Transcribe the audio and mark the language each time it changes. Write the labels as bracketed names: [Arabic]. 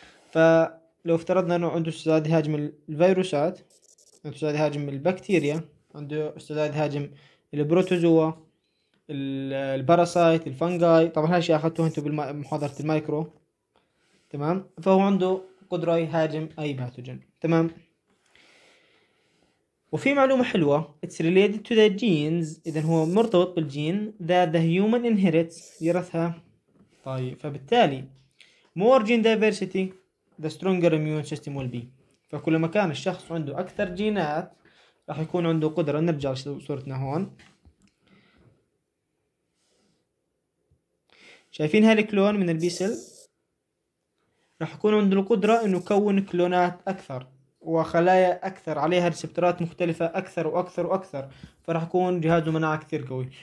[Arabic] فلو افترضنا انه عنده استعداد يهاجم الفيروسات، عنده استعداد يهاجم البكتيريا، عنده استعداد يهاجم البروتوزوا، الباراسايت، الفانجاي، طبعا هالشيء اخذته انتم بمحاضرة المايكرو تمام. فهو عنده قدرة يهاجم اي باثوجين تمام. وفي معلومة حلوة، [English] it's related to the genes، [Arabic] إذن هو مرتبط بالجين [English] that the human inherits، [Arabic] يرثها. طبعا طيب فبالتالي [English] more gene diversity the stronger immune system will be. [Arabic] فكلما كان الشخص عنده أكثر جينات راح يكون عنده قدرة. نرجع لصورتنا هون، شايفين هالكلون من البي سيل راح يكون عنده القدرة إنه يكون كلونات أكثر وخلايا أكثر عليها ريسبترات مختلفة أكثر وأكثر وأكثر، فراح يكون جهاز مناعة كثير قوي.